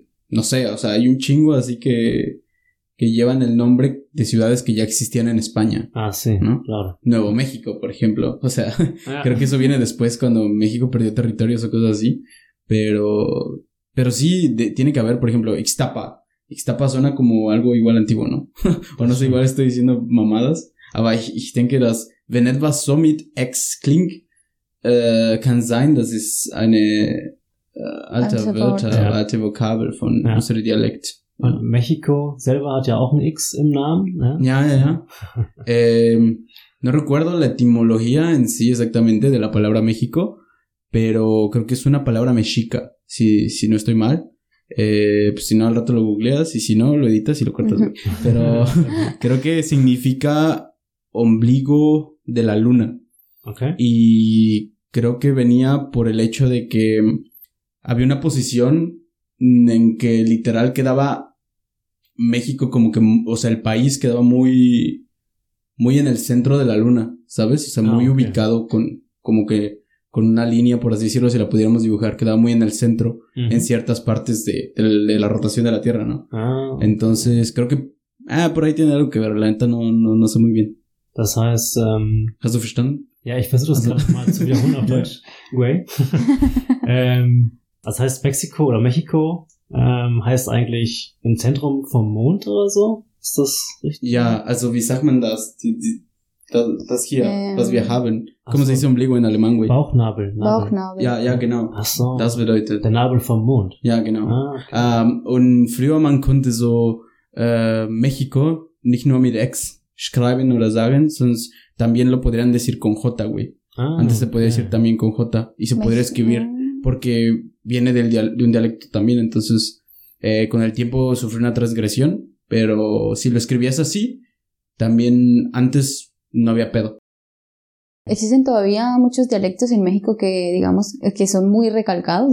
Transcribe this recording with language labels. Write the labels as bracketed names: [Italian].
[Spanish] No sé, o sea, hay un chingo así que llevan el nombre de ciudades que ya existían en España. Ah, sí, ¿no? Claro. Nuevo México, por ejemplo. O sea, creo que eso viene después cuando México perdió territorios o cosas así. Pero sí, tiene que haber, por ejemplo, Ixtapa. Ixtapa suena como algo igual antiguo, ¿no? O no sé, igual estoy diciendo mamadas. [German] Aber ich denke, dass wenn etwas so mit X klingt, kann sein, dass es eine alte Wörter, alte Vokabel von unserem Dialekt. Und Mexiko selber hat ja auch ein X im Namen, ne? Ja. [Spanish] no recuerdo la etimología en sí exactamente de la palabra México, pero creo que es una palabra mexica, si no estoy mal. Pues si no, al rato lo googleas y si no, lo editas y lo cortas. Pero creo que significa ombligo de la luna. Okay. Y creo que venía por el hecho de que había una posición en que literal quedaba México como que, o sea, el país quedaba muy, muy en el centro de la luna, ¿sabes? O sea, muy ubicado con, como que, con una línea, por así decirlo, si la pudiéramos dibujar, quedaba muy en el centro, uh-huh. en ciertas partes de la rotación de la Tierra, ¿no? Ah, okay. Entonces, creo que, por ahí tiene algo que ver, la neta no sé muy bien. [German] Das heißt, Hast du verstanden? Ja, ich versuche das gerade mal zu wiederholen auf Deutsch. Güey. das heißt, Mexiko oder Mexiko heißt eigentlich im Zentrum vom Mond oder so? Ist das richtig? Ja, also wie sagt man das? Das hier, was wir haben. [Spanish] Como se dice ombligo en alemán, güey. [German] Bauchnabel. Bauchnabel. Ja, genau. Ach so. Das bedeutet. Der Nabel vom Mond. Ja, genau. Und früher man konnte so Mexiko nicht nur mit X schreiben oder sagen, sonst [Spanish] también lo podrían decir con J, güey. Antes se podía decir también con J. Y se podría escribir porque viene de un dialecto también. Entonces, con el tiempo sufrió una transgresión. Pero si lo escribías así, también antes no había pedo. Existen todavía muchos dialectos en México que, digamos, que son muy recalcados.